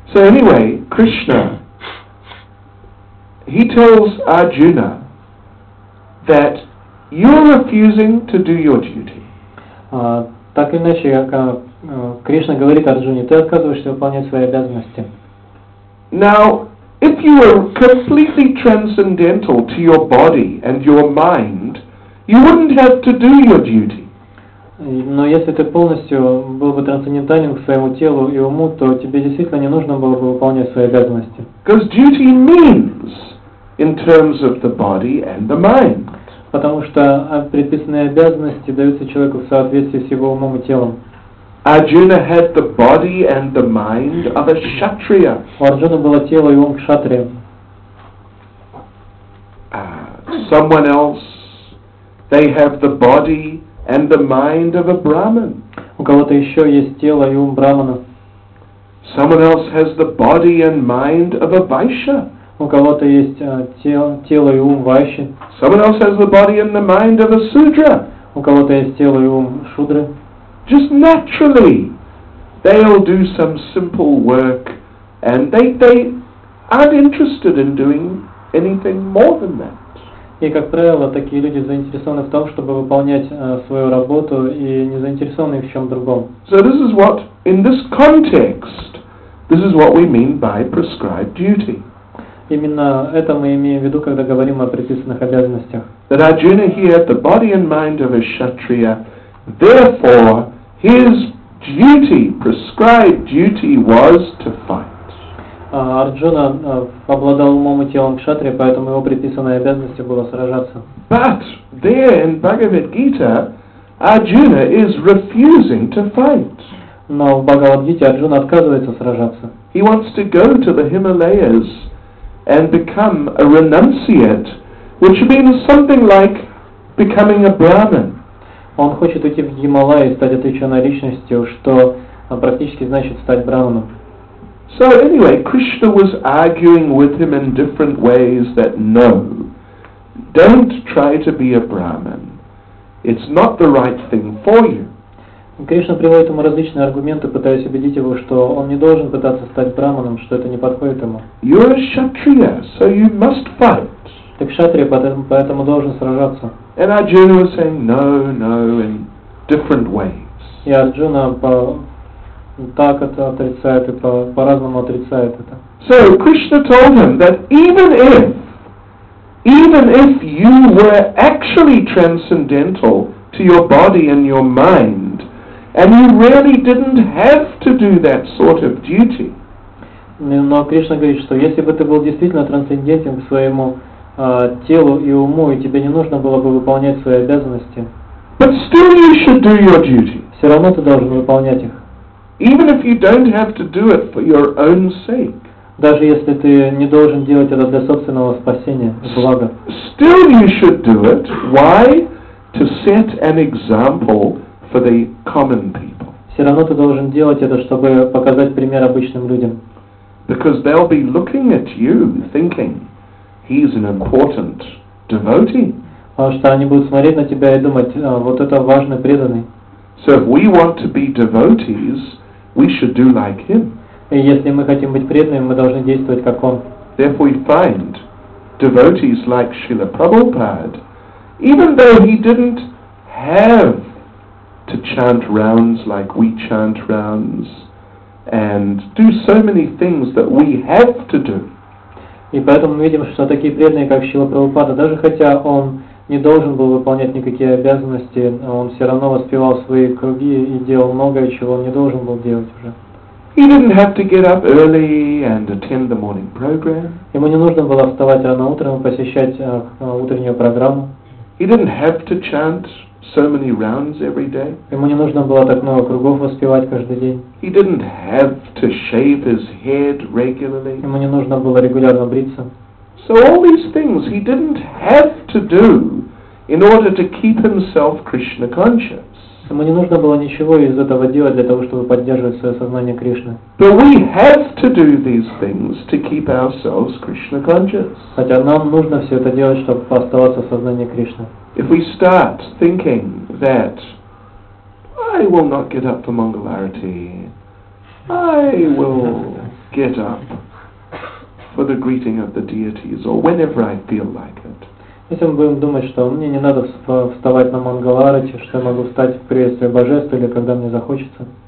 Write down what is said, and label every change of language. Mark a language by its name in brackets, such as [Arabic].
[English] So anyway, Krishna, he tells Arjuna that you're refusing to do your duty. [Russian] Так иначе, как Кришна говорит Арджуне, ты отказываешься выполнять свои обязанности. [English] Now, if you were completely transcendental to your body and your mind, you wouldn't have to do your duty. [Russian] Но если ты полностью был бы трансцендентален к своему телу и уму, то тебе действительно не нужно было бы выполнять свои обязанности. [English] Because duty means in terms of the body and the mind. [Russian] Потому что предписанные обязанности даются человеку в соответствии с его умом и телом. [English] Arjuna had the body and the mind of a kshatriya. [Russian] У Арджуны было тело и ум кшатрия. [English] Someone else, they have the body and the mind of a brahmin. [Russian] У кого-то еще есть тело и ум брахмана. [English] Someone else has the body and mind of a vaishya. [Russian] У кого-то есть тело и ум вайши. [English] Someone else has the body and the mind of a sudra. [Russian] У кого-то есть тело и ум шудры. [English] just naturally, they'll do some simple work, and they aren't interested in doing anything more than that. [Russian] И, как правило, такие люди заинтересованы в том, чтобы выполнять свою работу, и не заинтересованы в чем другом. [English] So this is what, in this context, this is what we mean by prescribed duty. [Russian] Именно это мы имеем в виду, когда говорим о предписанных обязанностях. [English] That Arjuna here, the body and mind of a kshatriya, therefore, his duty, prescribed duty, was to fight. [Russian] Арджуна обладал умом и телом кшатрия, поэтому его предписанной обязанностью было сражаться. [English] But there in Bhagavad Gita, Arjuna is refusing to fight. [Russian] Но в Бхагавад-гите Арджуна отказывается сражаться. [English] He wants to go to the Himalayas and become a renunciate, which means something like becoming a Brahmin. [Russian] Он хочет уйти в Гималаи и стать отреченной личностью, что практически значит стать брахманом. [English] So anyway, Krishna was arguing with him in different ways that no, don't try to be a Brahmin. It's not the right thing for you. [Russian] Кришна приводит ему различные аргументы, пытаясь убедить его, что он не должен пытаться стать брахманом, что это не подходит ему. [English] You're a kshatriya, so you must fight. [Russian] Ты кшатрия, поэтому должен сражаться. [English] And Arjuna was saying no, no, in different ways. [Russian] И Арджуна так это отрицает, это по-разному отрицает это. [English] So Krishna told him that even if you were actually transcendental to your body and your mind, and you really didn't have to do that sort of duty. [Russian] Но Кришна говорит, что если бы ты был действительно трансцендентен к своему телу и уму, и тебе не нужно было бы выполнять свои обязанности. [English] But still you should do your duty. [Russian] Все равно ты должен выполнять их. [English] Even if you don't have to do it for your own sake. [Russian] Даже если ты не должен делать это для собственного спасения, блага. [English] Still you should do it. Why? To set an example for the common people. [Russian] Все равно ты должен делать это, чтобы показать пример обычным людям. [English] Because they'll be looking at you, thinking, he's an important devotee. [Russian] Потому что они будут смотреть на тебя и думать, вот это важный преданный. [English] So if we want to be devotees, we should do like him. [Russian] И если мы хотим быть преданными, мы должны действовать как он. [English] Therefore we find devotees like Srila Prabhupada, even though he didn't have to chant rounds like we chant rounds and do so many things that we have to do. [Russian] И поэтому мы видим, что такие преданные, как Шрила Прабхупада, даже хотя он не должен был выполнять никакие обязанности, он все равно воспевал свои круги и делал многое, чего он не должен был делать уже. [English] He didn't have to get up early and attend the morning program. [Russian] Ему не нужно было вставать рано утром и посещать утреннюю программу. [English] He didn't have to chant so many rounds every day. [Russian] Ему не нужно было так много кругов воспевать каждый день. [English] He didn't have to shave his head regularly. [Russian] Ему не нужно было регулярно бриться. [English] So all these things he didn't have to do in order to keep himself Krishna conscious. [Russian] Ему не нужно было ничего из этого делать для того, чтобы поддерживать свое сознание Кришны. [English] But we have to do these things to keep ourselves Krishna conscious. [Russian] Хотя нам нужно все это делать, чтобы оставаться в сознании Кришны. [English] If we start thinking that I will not get up for Mangal Arati, I will get up for the greeting of the deities, or whenever I feel like it. [Russian] Если мы будем думать, что мне не надо вставать на Мангаларати, что я могу встать в приветствие божеств или когда мне захочется.